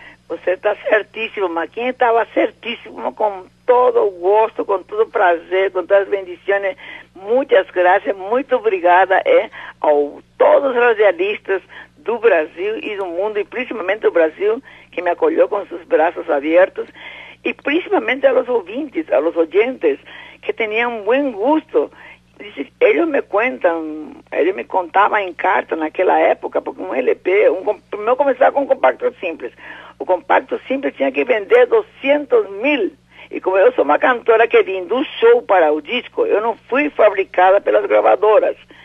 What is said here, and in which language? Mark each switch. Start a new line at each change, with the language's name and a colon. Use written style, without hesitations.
Portuguese: Você está certíssimo, Maquinha, estava certíssimo, com todo o gosto, com todo o prazer, com todas as bendições. Muitas graças, muito obrigada a todos os radialistas do Brasil e do mundo, e principalmente do Brasil, que me acolheu com seus braços abertos.
Spanish: E principalmente a los oyentes, que tenían buen gusto.
Portuguese: Ele me contava em carta naquela época, porque um LP, primeiro começava com um compacto simples. O compacto simples tinha que vender 200 mil. E como eu sou uma cantora que vindo um show para o disco, eu não fui fabricada pelas gravadoras.